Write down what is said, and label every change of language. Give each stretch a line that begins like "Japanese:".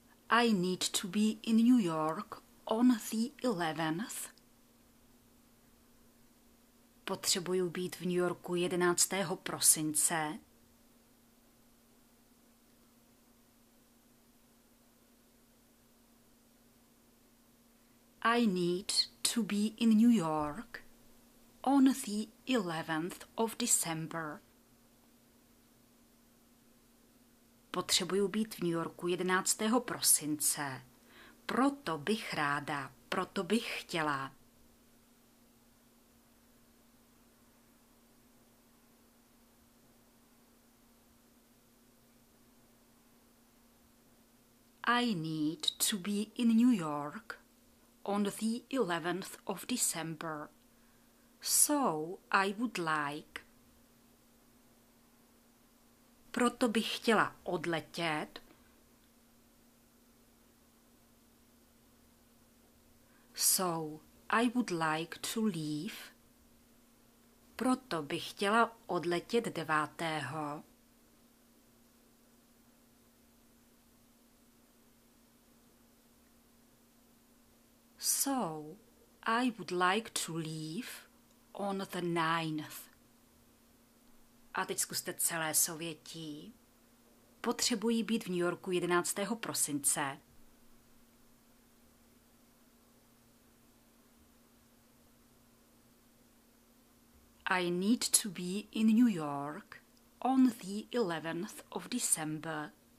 English: I need to be in New York on the 11th.
Czech: Potřebuju být v New Yorku 11. prosince.
English: I need to be in New York on the 11th of December.
Czech: Potřebuju být v New Yorku 11. prosince. Proto bych chtěla.
English: I need to be in New York on the 11th of December, so I would like.
Czech: Proto bych chtěla odletět.
English: So I would like to leave.
Czech: Proto bych chtěla odletět 9.
English: So I would like to leave on the 9th.
Czech: A teď zkuste celé souvětí. Potřebuji být v New Yorku 11. prosince.
English: I need to be in New York on the 11th of December.